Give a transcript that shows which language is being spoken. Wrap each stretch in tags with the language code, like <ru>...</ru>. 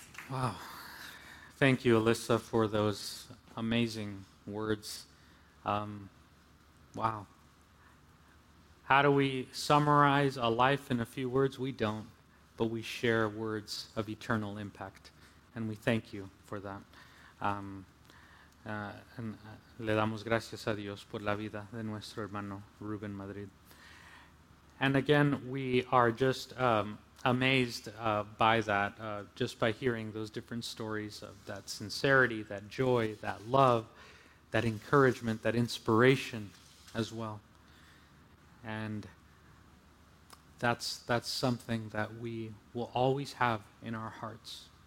<en>Wow. Thank you, Alyssa, for those amazing words. Wow. How do we summarize a life in a few words? We don't, but we share words of eternal impact, and we thank you for that.</en> <es>Le damos gracias a Dios por la vida de nuestro hermano Ruben Madrid.</es> <en>And again, we are just amazed by that, just by hearing those different stories of that sincerity, that joy, that love, that encouragement, that inspiration as well. And that's something that we will always have in our hearts.</en>